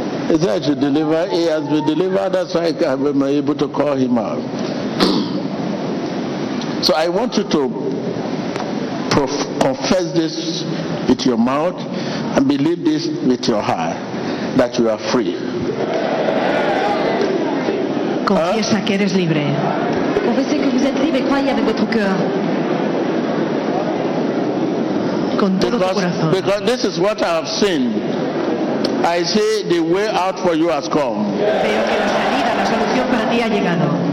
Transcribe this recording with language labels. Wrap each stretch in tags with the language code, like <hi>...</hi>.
<en>Is that to deliver? He has been delivered, that's why I've been able to call him out. So I want you to confess this with your mouth and believe this with your heart, that you are free.</en> <es>Confiesa que eres libre.</es> <fr>Confessez que vous êtes libre et croyez avec votre cœur.</fr> <es>Con todo tu corazón.</es> <en>Because this is what I have seen. I say the way out for you has come.</en> <es>Veo que la salida, la solución para ti ha llegado.</es>